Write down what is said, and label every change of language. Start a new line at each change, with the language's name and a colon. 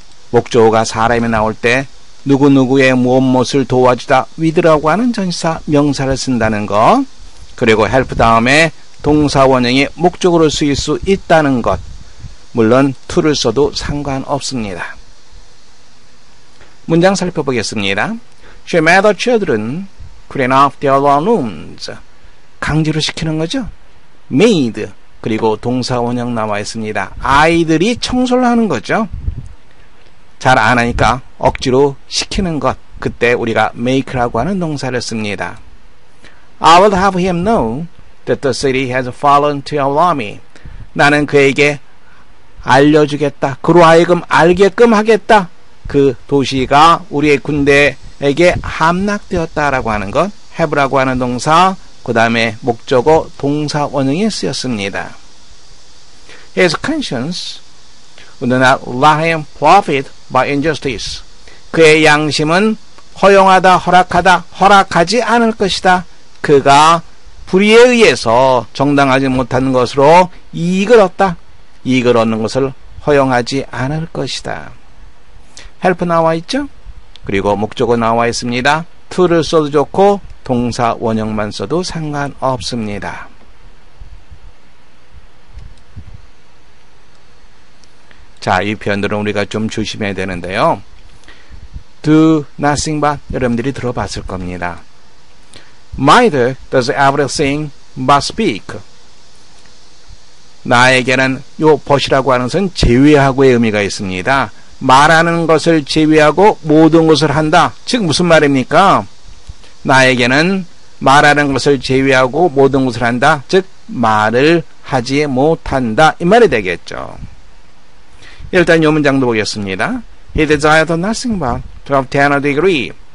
Korean: 목적어가 사람이 나올 때 누구누구의 무엇무엇을 도와주다 with라고 하는 전시사 명사를 쓴다는 거 그리고 help 다음에 동사원형이 목적으로 쓰일 수 있다는 것 물론 to를 써도 상관없습니다. 문장 살펴보겠습니다.
English: She made the children clean off their rooms.
Korean: 강제로 시키는 거죠. made 그리고 동사원형 나와 있습니다. 아이들이 청소를 하는 거죠. 잘 안 하니까 억지로 시키는 것 그때 우리가 make라고 하는 동사를 씁니다.
English: I will have him know that the city has fallen to your army.
Korean: 나는 그에게 알려주겠다 그로 하여금 알게끔 하겠다 그 도시가 우리의 군대에 에게 함락되었다라고 하는 것 have라고 하는 동사 그 다음에 목적어 동사 원형에 쓰였습니다.
English: His conscience would not let him profit by injustice.
Korean: 그의 양심은 허용하다 허락하다 허락하지 않을 것이다. 그가 불의에 의해서 정당하지 못한 것으로 이익을 얻다. 이익을 얻는 것을 허용하지 않을 것이다. help 나와 있죠? 그리고 목적어 나와 있습니다. to를 써도 좋고 동사 원형만 써도 상관없습니다. 자, 이 표현들은 우리가 좀 조심해야 되는데요.
English: do nothing but
Korean: 여러분들이 들어봤을 겁니다.
English: mother does everything but speak.
Korean: 나에게는 요 but이라고 하는 것은 제외하고의 의미가 있습니다. 말하는 것을 제외하고 모든 것을 한다. 즉 무슨 말입니까? 나에게는 말하는 것을 제외하고 모든 것을 한다. 즉 말을 하지 못한다. 이 말이 되겠죠. 일단 이 문장도 보겠습니다.
English: He desired nothing but to obtain a degree.